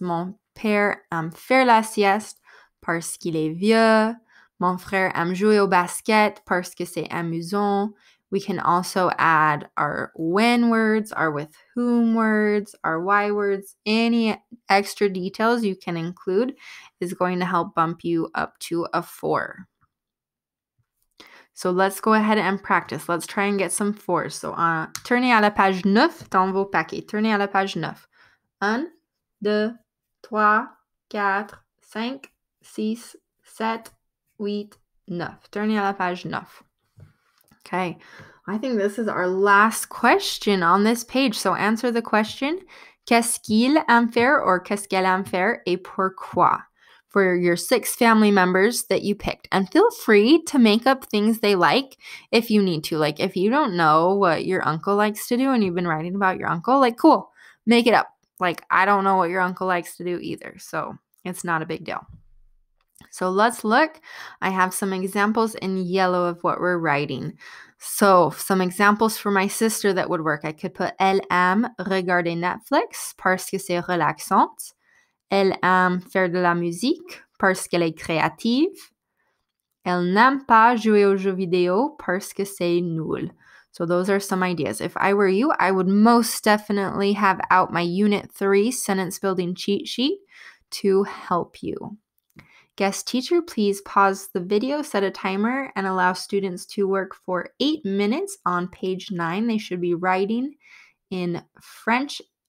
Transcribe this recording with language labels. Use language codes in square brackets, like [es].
[fr] Mon père aime faire la sieste parce qu'il est vieux. Mon frère aime jouer au basket parce que c'est amusant. [en] We can also add our when words, our with whom words, our why words. Any extra details you can include is going to help bump you up to a four. So let's go ahead and practice. Let's try and get some fours. [fr] So tournez à la page 9 dans vos paquets. Tournez à la page 9. [en] 1, 2, 3, 4, 5, 6, 7, 8, 9. [fr] Tournez à la page 9. [en] Okay, I think this is our last question on this page. So answer the question, [fr] qu'est-ce qu'il aime faire [en] or [fr] qu'est-ce qu'elle aime faire et pourquoi [en] for your six family members that you picked. And feel free to make up things they like if you need to. Like if you don't know what your uncle likes to do and you've been writing about your uncle, like cool, make it up. Like I don't know what your uncle likes to do either. So it's not a big deal. So let's look. I have some examples in yellow of what we're writing. So some examples for my sister that would work. I could put [fr] elle aime regarder Netflix parce que c'est relaxant. Elle aime faire de la musique parce qu'elle est créative. Elle n'aime pas jouer aux jeux vidéo parce que c'est nul. [en] So those are some ideas. If I were you, I would most definitely have out my Unit 3 sentence building cheat sheet to help you. Guest teacher, please pause the video, set a timer, and allow students to work for 8 minutes on page 9. They should be writing in French